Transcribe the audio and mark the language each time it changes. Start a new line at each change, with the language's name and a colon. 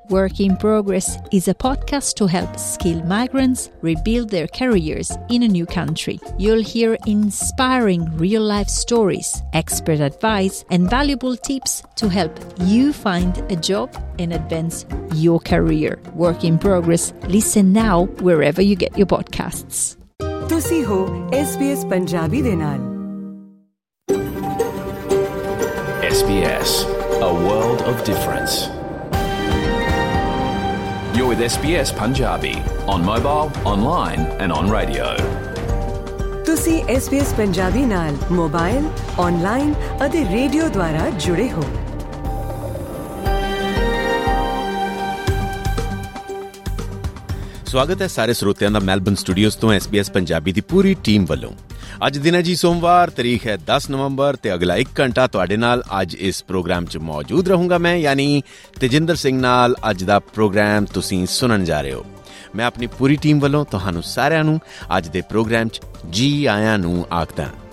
English: Work in Progress is a podcast to help skilled migrants rebuild their careers in a new country. You'll hear inspiring real-life stories, expert advice, and valuable tips to help you find a job and advance your career. Work in Progress. Listen now wherever you get your podcasts.
Punjabi: ਤੁਸੀਂ ਹੋ SBS Punjabi ਦੇ ਨਾਲ
English: SBS a world of difference You're with SBS Punjabi on mobile online and on radio
Punjabi: ਤੁਸੀਂ SBS Punjabi ਨਾਲ mobile online ਅਤੇ radio ਦੁਆਰਾ ਜੁੜੇ ਹੋ ਸਵਾਗਤ ਹੈ ਸਾਰੇ ਸਰੋਤਿਆਂ ਦਾ ਮੈਲਬਨ ਸਟੂਡੀਓਜ਼ ਤੋਂ SBS ਪੰਜਾਬੀ ਦੀ ਪੂਰੀ ਟੀਮ ਵੱਲੋਂ ਅੱਜ ਦਿਨ ਹੈ ਜੀ ਸੋਮਵਾਰ ਤਾਰੀਖ ਹੈ 10 ਨਵੰਬਰ ਤੇ ਅਗਲਾ 1 ਘੰਟਾ ਤੁਹਾਡੇ ਨਾਲ ਅੱਜ ਇਸ ਪ੍ਰੋਗਰਾਮ 'ਚ ਮੌਜੂਦ ਰਹੂੰਗਾ ਮੈਂ ਯਾਨੀ ਤੇਜਿੰਦਰ ਸਿੰਘ ਨਾਲ ਅੱਜ ਦਾ ਪ੍ਰੋਗਰਾਮ ਤੁਸੀਂ ਸੁਣਨ ਜਾ ਰਹੇ ਹੋ ਮੈਂ ਆਪਣੀ ਪੂਰੀ ਟੀਮ ਵੱਲੋਂ ਤੁਹਾਨੂੰ ਸਾਰਿਆਂ ਨੂੰ ਅੱਜ ਦੇ ਪ੍ਰੋਗਰਾਮ 'ਚ ਜੀ ਆਇਆਂ ਨੂੰ ਆਖਦਾ